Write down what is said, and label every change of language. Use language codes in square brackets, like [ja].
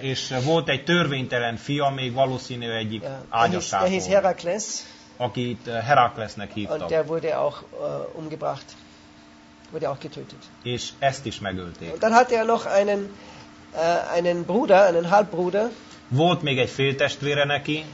[hu] És volt egy törvénytelen fia, még valószínű egyik ágyasából. [de] Der hieß Herakles. [hu] Akit Heraklesnek hívtak. [de] Und der wurde auch umgebracht. Wurde auch getötet. [hu] És ezt is megölték. [de] Und dann hatte er noch einen Bruder, einen Halbbruder. [hu] Volt még egy féltestvére neki.